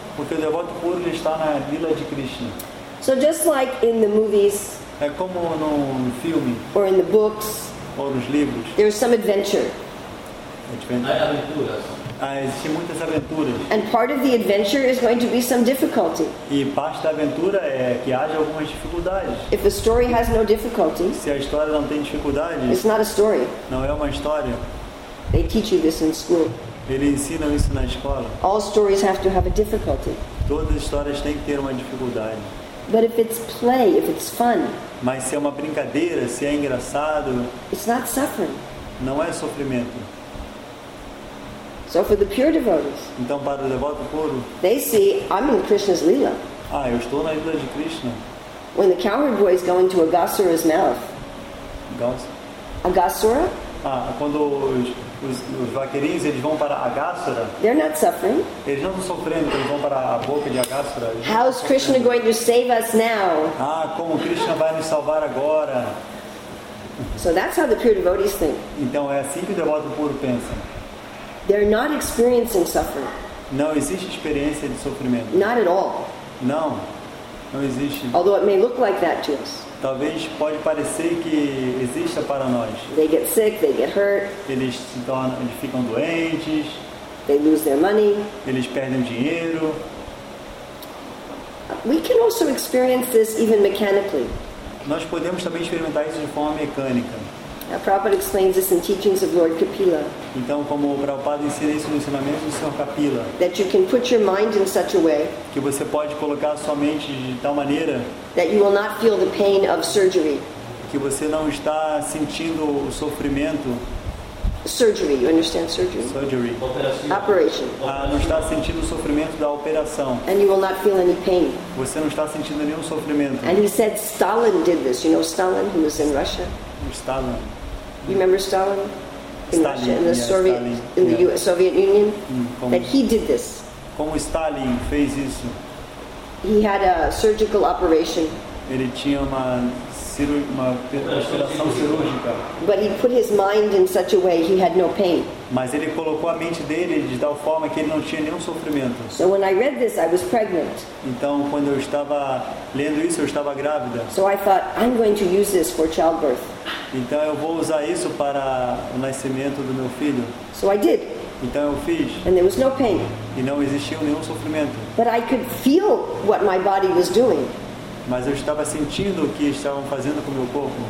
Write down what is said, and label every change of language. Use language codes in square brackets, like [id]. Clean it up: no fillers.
[pt] Porque o devoto puro está na lila de Krishna. [en] So just like in the movies. [pt] É como no filme. [en] Or in the books. [pt] Ou nos livros. [en] There's some adventure. [pt] Existem muitas aventuras. [en] And part of the adventure is going to be some difficulty. [pt] E parte da aventura é que haja algumas dificuldades. [en] If a story has no difficulty. [pt] Se a história não tem dificuldade. [en] It's not a story. [pt] Não é uma história. [en] They teach you this in school. [pt] Eles ensinam isso na escola. [en] All stories have to have a difficulty. [pt] Todas as histórias têm que ter uma dificuldade. [en] But if it's play, if it's fun. [pt] Mas se é uma brincadeira, se é engraçado. [en] It's not suffering. [pt] Não é sofrimento. [en] So for the pure devotees, [pt] então para o devoto puro, [en] they see I'm in Krishna's lila. [pt] Ah, eu estou na lila de Krishna. [en] When the cowherd boy is going to Agasura's mouth. [pt] Agasura? Ah, quando os vaqueirinhos eles vão para Agasura. [en] They're not suffering. [pt] Eles não estão sofrendo, eles vão para a boca de Agasura. [en] How is Krishna going to save us now? [pt] Ah, como Krishna vai nos salvar agora? [en] So that's how the pure devotees think. [pt] Então é assim que o devoto puro pensa. [en] They're not experiencing suffering. [pt] Não existe experiência de sofrimento. [en] Not at all. [pt] Não. Não existe. [en] Although it may look like that to us. [pt] Talvez pode parecer que exista para nós. [en] They get sick, they get hurt. [pt] Eles ficam doentes. [en] They lose their money. [pt] Eles perdem dinheiro. [en] We can also experience this even mechanically. [pt] Nós podemos também experimentar isso de forma mecânica. [en] Now, Prabhupada explains this in teachings of Lord Kapila. [pt] Então, como o Prabhupada ensina isso no ensinamento do Senhor Kapila. [en] That you can put your mind in such a way. [pt] Que você pode colocar sua mente de tal maneira. [en] That you will not feel the pain of surgery. [pt] Que você não está sentindo o sofrimento. [en] Surgery, you understand surgery? Surgery. Operation. [pt] Não está sentindo o sofrimento da operação. [en] And you will not feel any pain. [pt] Você não está sentindo nenhum sofrimento. [en] And he said Stalin did this. You know Stalin, he was in Russia. Stalin. You remember Stalin? In Stalin, Russia, in the yeah, Soviet, Stalin. In the yeah. Soviet Union. [pt] Como, [en] that he did this. [pt] Como Stalin fez isso? [en] He had a surgical operation. [pt] Ele tinha uma operação cirúrgica. [en] But he put his mind in such a way he had no pain. [pt] Mas ele colocou a mente dele de tal forma que ele não tinha nenhum sofrimento. [en] So when I read this, I was pregnant. [pt] Então quando eu estava lendo isso, eu estava grávida. [en] So I thought, I'm going to use this for childbirth. [pt] Então eu vou usar isso para o nascimento do meu filho. [en] So I did. [pt] Então eu fiz. [en] And there was no pain. [pt] E não existia nenhum sofrimento. [en] But I could feel what my body was doing. [pt] Mas eu estava sentindo o que estavam fazendo com o meu corpo.